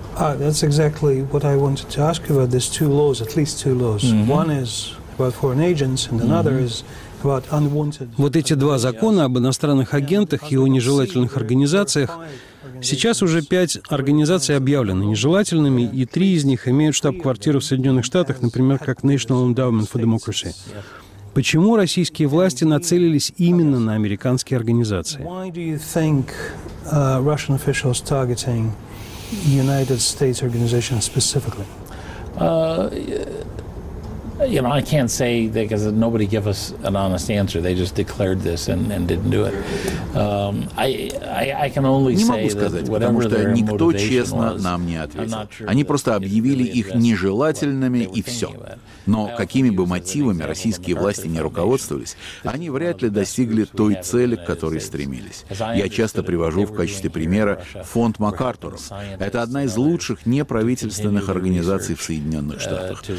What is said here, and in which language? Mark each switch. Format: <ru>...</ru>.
<en>Ah, that's exactly what I wanted to ask you about. There's two laws, at least two laws. Mm-hmm. One is about foreign agents, and another is about unwanted.</en> <ru>Вот эти два закона об иностранных агентах и о нежелательных организациях. Сейчас уже 5 организаций объявлены нежелательными, и 3 из них имеют штаб-квартиру в Соединенных Штатах, например, как National Endowment for Democracy. Почему российские власти нацелились именно на американские организации?</ru> <en>Why do you think Russian officials targeting United States organizations specifically? You know, I can't say that because nobody gave us an honest answer. They just declared this and didn't do it. I can only say that whatever their motivation was, I'm not sure.</en> <ru>Они просто объявили их нежелательными и все. Но какими бы мотивами российские власти не руководствовались, они вряд ли достигли той цели, к которой стремились. Я часто привожу в качестве примера фонд MacArthur. Это одна из лучших неправительственных организаций в Соединенных Штатах.</ru>